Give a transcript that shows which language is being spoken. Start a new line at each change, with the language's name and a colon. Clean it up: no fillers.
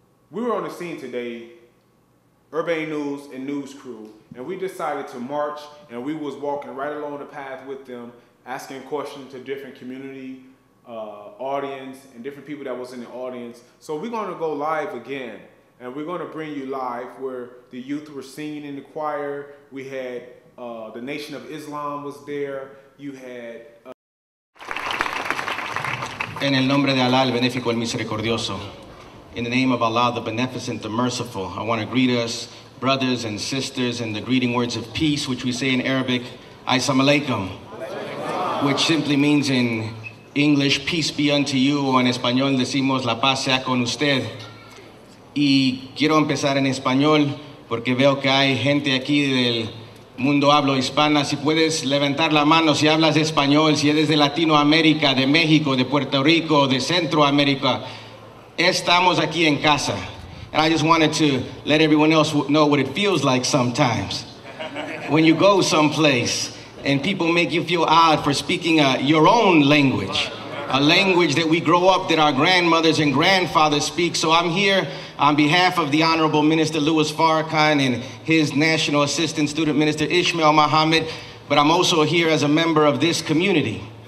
English: We were on the scene today, Urbane News and News Crew, and we decided to march, and we was walking right along the path with them, asking questions to different community audience and different people that was in the audience. So we're going to go live again, and we're going to bring you live where the youth were singing in the choir. We had the Nation of Islam was there. You had...
Spanish: En el nombre de Allah, el benéfico, el misericordioso.
English: In the name of Allah, the beneficent, the merciful, I want to greet us, brothers and sisters, in the greeting words of peace, which we say in Arabic, Assalamu alaikum, which simply means in English, peace be unto you,
Spanish: o en español decimos, la paz sea con usted. Y quiero empezar en español, porque veo que hay gente aquí del mundo hablo hispana. Si puedes levantar la mano, si hablas español, si eres de Latinoamérica, de México, de Puerto Rico, de Centroamérica, estamos aquí en casa.
English: And I just wanted to let everyone else know what it feels like sometimes when you go someplace and people make you feel odd for speaking your own language, a language that we grow up, that our grandmothers and grandfathers speak. So I'm here on behalf of the Honorable Minister Louis Farrakhan and his National Assistant Student Minister Ishmael Mohammed, but I'm also here as a member of this community.